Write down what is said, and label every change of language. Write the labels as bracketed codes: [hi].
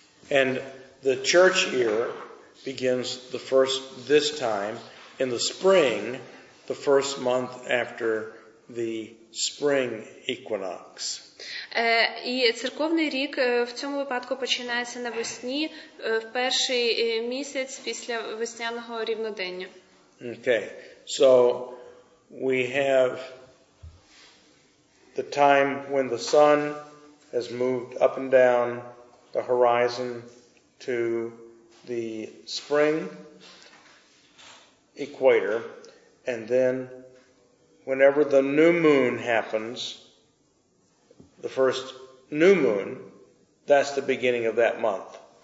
[en] And the church year begins the first this time in the spring, the first month after the spring equinox. [uk] І церковний рік в цьому випадку починається навесні, в перший місяць після весняного рівнодення. [en] Okay. So we have the time when the sun has moved up and down the horizon to the spring equator, and then whenever the new moon happens, the first new moon, that's the beginning of that month.